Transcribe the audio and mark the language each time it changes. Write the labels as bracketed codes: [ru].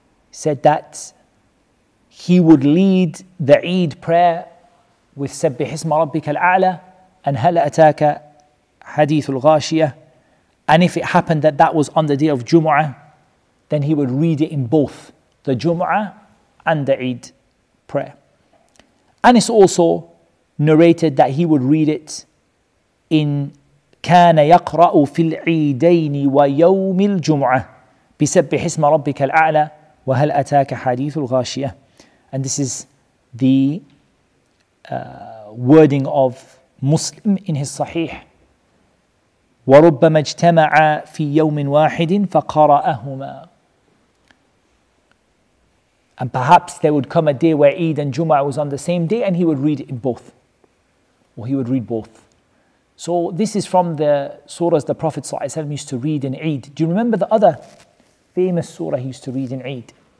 [en] Said that he would lead the Eid prayer with [ar] sabbih isma rabbika al-a'la [en] and [ar] hal ataaka hadithul ghashiyah, [en] and if it happened that that was on the day of Jumu'ah, then he would read it in both the Jumu'ah and the Eid prayer. And it's also narrated that he would read it in [ar] كان يقرأ في العيدين ويوم الجمعة بسبح اسم ربك الأعلى وهل أتاك حديث الغاشية. [en] And this is the wording of Muslim in his Sahih. [ar] وربما اجتمع في يوم واحد فقرأهما. [en] And perhaps there would come a day where Eid and Jumu'ah was on the same day and he would read in both. Or he would read both. So this is from the surahs the Prophet ﷺ used to read in Eid. Do you remember the other famous surah he used to read in Eid?